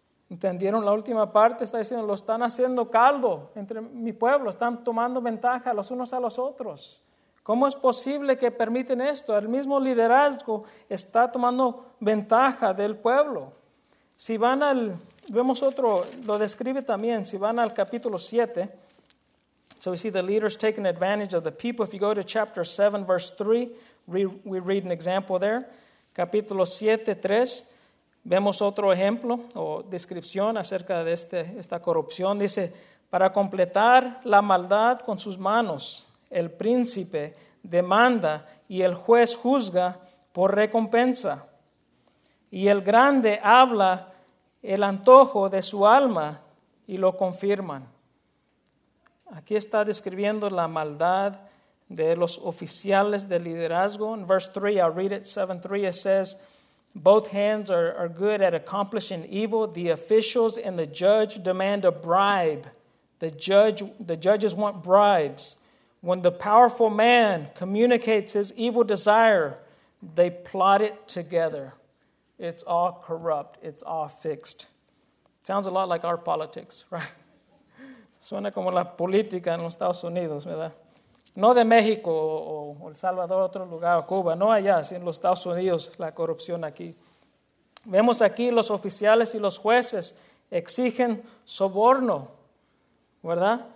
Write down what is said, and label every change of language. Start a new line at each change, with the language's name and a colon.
Spanish: ¿Entendieron la última parte? Está diciendo, lo están haciendo caldo entre mi pueblo, están tomando ventaja los unos a los otros. ¿Cómo es posible que permiten esto? El mismo liderazgo está tomando ventaja del pueblo. Si van al, vemos otro, lo describe también, si van al capítulo 7.
English: So we see the leaders taking advantage of the people. If you go to chapter 7, verse 3, we read an example there.
Spanish: Capítulo 7, 3, vemos otro ejemplo o descripción acerca de esta corrupción. Dice, para completar la maldad con sus manos, el príncipe demanda y el juez juzga por recompensa. Y el grande habla el antojo de su alma y lo confirman. Aquí está describiendo la maldad de los oficiales de liderazgo.
English: In verse 3, I'll read it, 7:3, it says, both hands are good at accomplishing evil. The officials and the judge demand a bribe. The judges want bribes. When the powerful man communicates his evil desire, they plot it together. It's all corrupt. It's all fixed. Sounds a lot like our politics, right?
Spanish: Suena como la política en los Estados Unidos, ¿verdad? No de México o El Salvador, otro lugar, Cuba. No allá, sino en los Estados Unidos, la corrupción aquí. Vemos aquí los oficiales y los jueces exigen soborno, ¿verdad?